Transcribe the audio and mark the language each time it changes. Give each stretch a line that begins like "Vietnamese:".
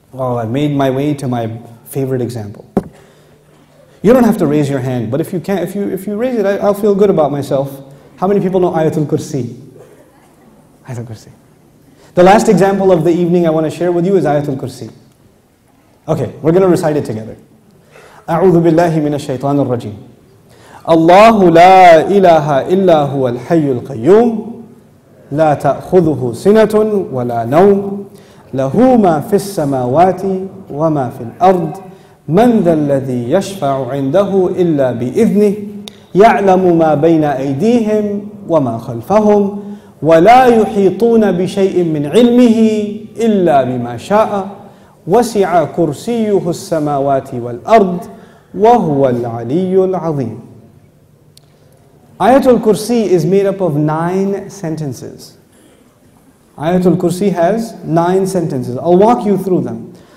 English: Well, I made my way to my favorite example. You don't have to raise your hand, but if you can, if you raise it, I'll feel good about myself. How many people know Ayatul Kursi? Ayatul Kursi. The last example of the evening I want to share with you is Ayatul Kursi. Okay, we're going to recite it together.
Arabic: أعوذ بالله من الشيطان الرجيم. الله لا إله إلا هو الحي القيوم. لا تأخذه سنة ولا نوم. له ما في السماوات وما في الأرض. من ذا الذي يشفع عنده إلا بإذنه. يعلم ما بين أيديهم وما خلفهم. ولا يحيطون بشيء من علمه إلا بما شاء. وسع كرسيه السماوات والأرض. وَهُوَ الْعَلِيُّ الْعَظِيمُ.
English: Ayatul Kursi is made up of 9 sentences. Ayatul Kursi has 9 sentences. I'll walk you through them.